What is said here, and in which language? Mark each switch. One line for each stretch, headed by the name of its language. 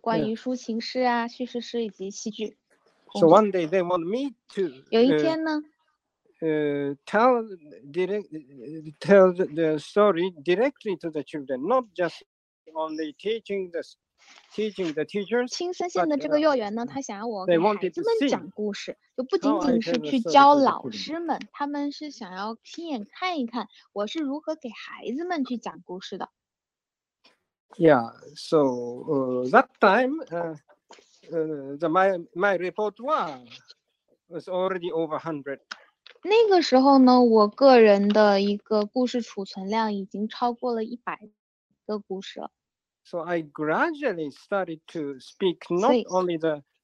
Chinese: 去在这里去工作，去关于抒情诗啊、叙事诗以及戏剧。So
English: one day they want me to.
Chinese: 有一天呢。
English: tell the story directly to the children, not just only teaching the teachers.
Chinese: 青森县的这个幼儿园呢，他想要我给 孩子们讲故事，就不仅仅是去教老师们，他们是想要亲眼看一看我是如何给孩子们去讲故事的。Yeah,
English: so that time, my report was already over 100.
Chinese: 那个时候呢，我个人的一个故事储存量已经超过了100个故事了。So
English: I gradually started to speak not only the